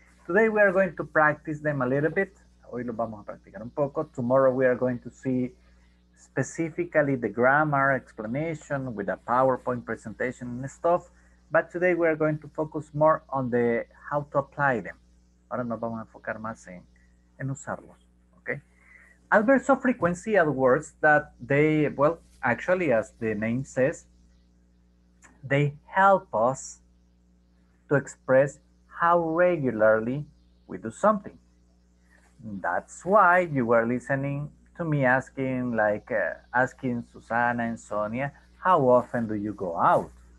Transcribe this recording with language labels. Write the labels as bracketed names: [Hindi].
[English] Today we are going to practice them a little bit. [Spanish] Hoy lo vamos a practicar un poco. [English] Tomorrow we are going to see specifically the grammar explanation with a PowerPoint presentation and stuff. But today we are going to focus more on the how to apply them. [Spanish] Ahora nos vamos a enfocar más en usarlos, okay? [English] Adverbs of frequency are words that they, well, actually, as the name says, they help us to express how regularly we do something. That's why you were listening to me asking Susana and Sonia, how often do you go out?